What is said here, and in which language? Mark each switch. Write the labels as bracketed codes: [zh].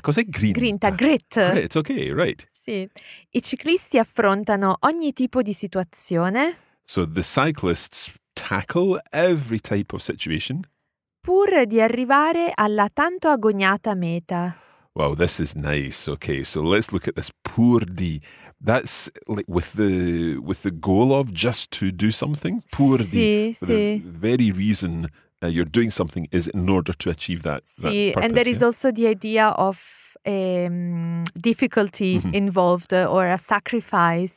[it] Cos'è grinta? [en] Grinta, grit. Grit, okay, right. [it] Sì. I ciclisti affrontano ogni tipo di situazione. [en] So, the cyclists tackle every type of situation. [it] Pur di arrivare alla tanto agognata meta. [en] Wow, this is nice. Okay, so let's look at this. Pur di. That's like with the goal of just to do something. [it] Pur sì, di. Sì. [en] The very reason you're doing something is in order to achieve that, [it] sì, [en] that purpose. And there is also the idea of a difficulty involved or a sacrifice.